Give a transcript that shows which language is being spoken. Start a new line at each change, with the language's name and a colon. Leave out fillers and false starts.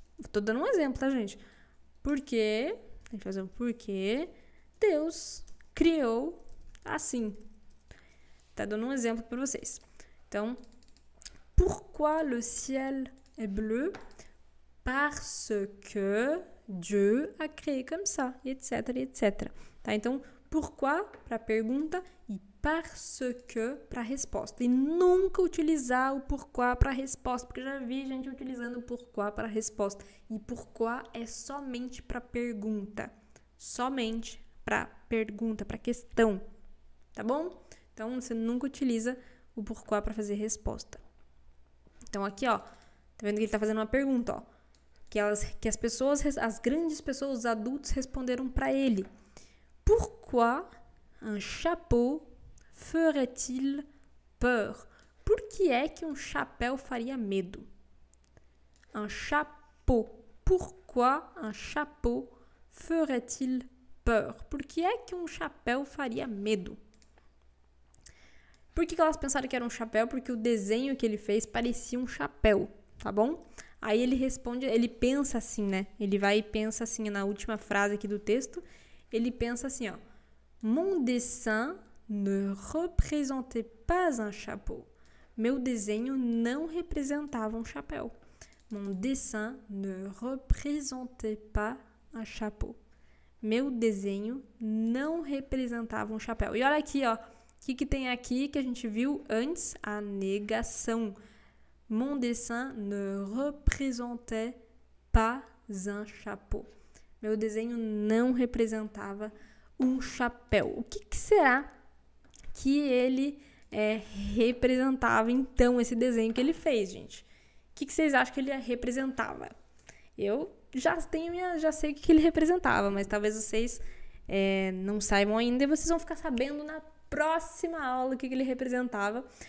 Portuguese: Tô dando um exemplo, tá, gente? Porque, deixa eu fazer um porquê, Deus criou assim. Tá dando um exemplo para vocês. Então,
French: pourquoi le ciel est bleu? Parce que Dieu a créé comme ça, etc, etc.
Portuguese: Tá, então... Pourquoi para pergunta e parce que para resposta. E nunca utilizar o pourquoi para resposta, porque já vi gente utilizando o pourquoi para resposta. E pourquoi é somente para pergunta. Somente para pergunta, para questão. Tá bom? Então você nunca utiliza o pourquoi para fazer resposta. Então aqui, ó, tá vendo que ele tá fazendo uma pergunta, ó, que as pessoas, as grandes pessoas, os adultos responderam para ele.
French: Pourquoi un chapeau ferait-il peur?
Portuguese: Por que é que um chapéu faria medo?
French: Un chapeau.
Portuguese: Por
French: pourquoi un chapeau ferait-il peur?
Portuguese: Por que é que um chapéu faria medo? Por que elas pensaram que era um chapéu? Porque o desenho que ele fez parecia um chapéu, tá bom? Aí ele responde, ele pensa assim, né? Ele vai e pensa assim na última frase aqui do texto. Ele pensa assim, ó.
French: Mon dessin ne représentait pas un chapeau.
Portuguese: Meu desenho não representava um chapéu.
French: Mon dessin ne représentait pas un chapeau.
Portuguese: Meu desenho não representava um chapéu. E olha aqui, ó. O que tem aqui que a gente viu antes? A negação.
French: Mon dessin ne représentait pas un chapeau.
Portuguese: Meu desenho não representava um chapéu. O que será que ele representava, então, esse desenho que ele fez, gente? O que vocês acham que ele representava? Eu já sei o que ele representava, mas talvez vocês não saibam ainda e vocês vão ficar sabendo na próxima aula o que ele representava.